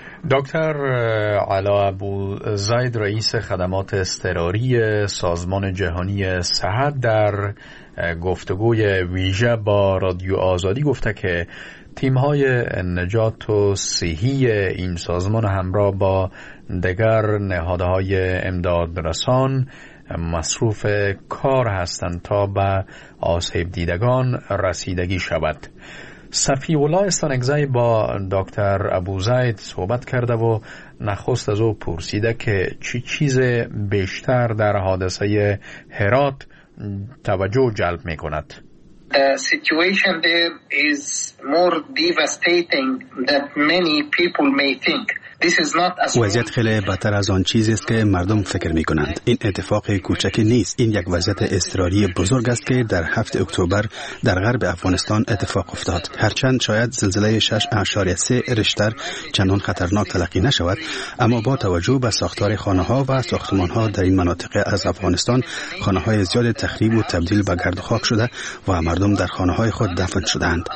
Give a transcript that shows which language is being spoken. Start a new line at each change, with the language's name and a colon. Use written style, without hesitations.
Persian: دکتر علا ابو زید، رئیس خدمات اضطراری سازمان جهانی صحت، در گفتگوی ویژه با رادیو آزادی گفته که تیم‌های نجات و صحی این سازمان همراه با دیگر نهادهای امداد رسان مصروف کار هستند تا به آسیب دیدگان رسیدگی شود. صفی الله استانگزای با دکتر ابو زید صحبت کرده و نخست از او پرسیده که چی چیز بیشتر در حادثه هرات توجه جلب می کند.
English: The situation there is more devastating than many people may think.
Persian: وضعیت خیلی بدتر از آن چیزی است که مردم فکر می کنند. این اتفاق کوچکی نیست. این یک وضعیت اضطراری بزرگ است که در 7 اکتبر در غرب افغانستان اتفاق افتاد. هرچند شاید زلزله 6.3 ریشتر چنان خطرناک تلقی نشود، اما با توجه به ساختار خانه ها و ساختمان ها در این مناطق از افغانستان، خانه های زیاد تخریب و تبدیل به گرد و خاک شده و مردم در خانه های خود دفن شدند.